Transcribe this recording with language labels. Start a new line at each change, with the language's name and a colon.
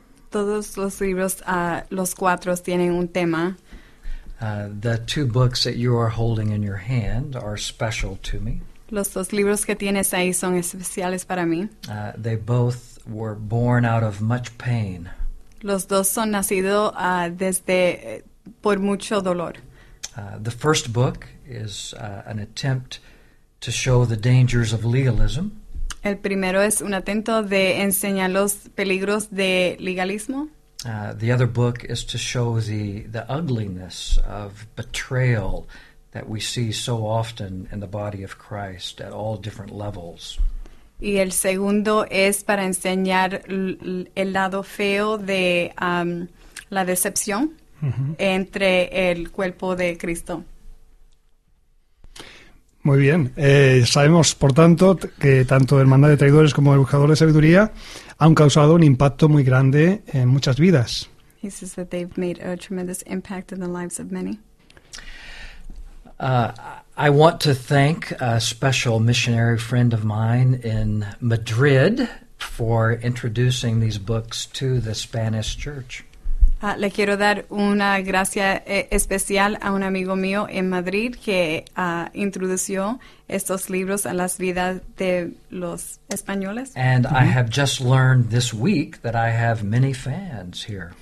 Spanish: Todos los libros, los cuatro, tienen un tema.
English: The two books that you are holding in your hand are special to me.
Spanish: Los dos libros que tienes ahí son especiales para mí.
English: They both were born out of much pain.
Spanish: Los dos son nacidos desde por mucho dolor.
English: The first book is an attempt to show the dangers of legalism.
Spanish: El primero es un intento de enseñar los peligros de legalismo.
English: The other book is to show the ugliness of betrayal that we see so often in the body of Christ at all different levels.
Spanish: Y el segundo es para enseñar el lado feo de la decepción entre el cuerpo de Cristo. Muy bien. Sabemos, por tanto, que tanto Hermandad de Traidores como El Buscador de Sabiduría han causado un impacto muy grande en muchas vidas.
English: He says that they've made a tremendous impact in the lives of many. I want to thank a special missionary friend of mine in Madrid for introducing these books to the Spanish church.
Spanish: Le quiero dar una gracia especial a un amigo mío en Madrid que introdució estos libros a las vidas de los españoles.
English: And I have just learned this week that I have many fans here.